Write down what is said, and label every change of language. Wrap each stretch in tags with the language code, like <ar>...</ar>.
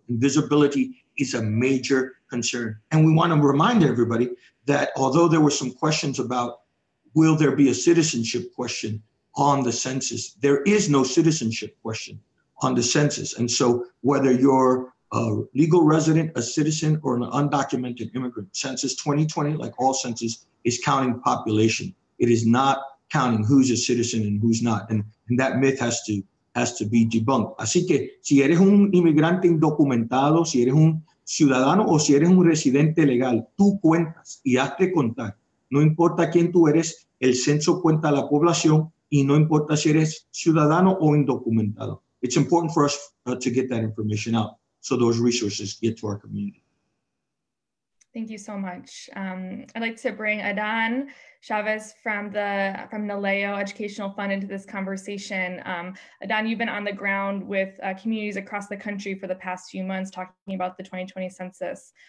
<en>Invisibility is a major concern. And we want to remind everybody that although there were some questions about will there be a citizenship question on the census, there is no citizenship question on the census. And so whether you're a legal resident, a citizen, or an undocumented immigrant, census 2020, like all census, is counting population. It is not counting who's a citizen and who's not. And that myth has to be debunked.</en> <es>Así que si eres un inmigrante indocumentado, si eres un ciudadano o si eres un residente legal, tú cuentas y hazte contar. No importa quién tú eres, el censo cuenta la población y no importa si eres ciudadano o indocumentado.</es> <en>It's important for us to get that information out so those resources get to our community. Thank you so much. I'd like to bring Adan Chavez from Naleo Educational Fund into this conversation. Adan, you've been on the ground with communities across the country for the past few months talking about the 2020 census.</en>